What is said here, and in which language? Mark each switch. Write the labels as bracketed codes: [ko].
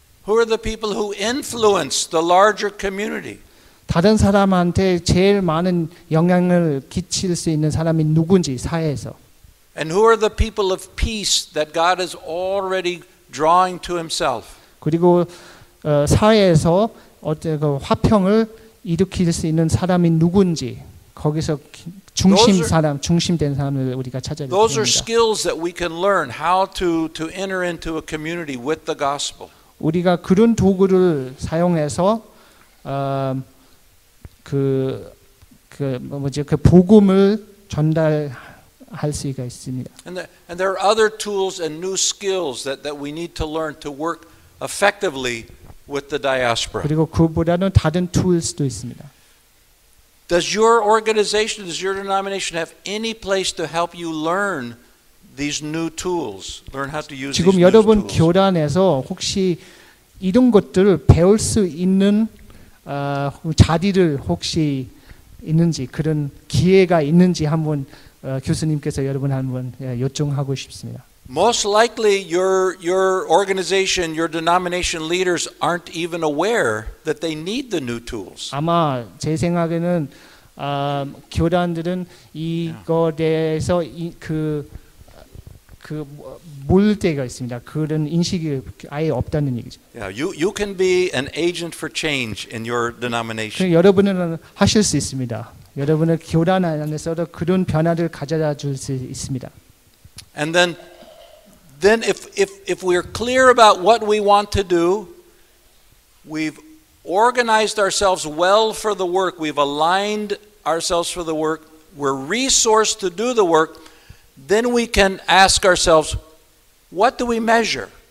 [en] Who are the people who influence the larger community? [ko] 다른 사람한테 제일 많은 영향을 끼칠 수 있는 사람이 누군지 사회에서. [en] And who are the people of peace that God is already drawing to Himself? [ko] 그리고 사회에서 그 화평을 일으킬 수 있는 사람이 누군지 거기서. 중심된 사람을 우리가 찾아야 됩니다. [en] Those are skills that we can learn how to enter into a community with the gospel. [ko] 우리가 그런 도구를 사용해서 그 복음을 전달할 수가 있습니다. [en] And there are other tools and new skills that we need to learn to work effectively with the diaspora. [ko] 그리고 그보다는 다른 툴스도 있습니다. [en] Does your organization, does your denomination have any place to help you learn these new tools? Learn how to use these new tools. [ko] 지금 여러분 교단에서 혹시 이런 것들을 배울 수 있는 자리를 혹시 있는지 그런 기회가 있는지 한번 교수님께서 여러분 한번 요청하고 싶습니다. [en] Most likely your organization, your denomination leaders aren't even aware that they need the new tools. [ko] 아마 제 생각에는 교단들은 이거에 대해서 그 물대가 있습니다. 그런 인식이 아예 없다는 얘기죠. [en] Yeah, you can be an agent for change in your denomination. [ko] 여러분은 하실 수 있습니다. 여러분은 교단 안에서도 그런 변화를 가져다 줄 수 있습니다. [en] And then if we're clear about what we want to do, we've organized ourselves well for the work, we've aligned ourselves for the work, we're resourced to do the work, then we can ask ourselves, what do we measure?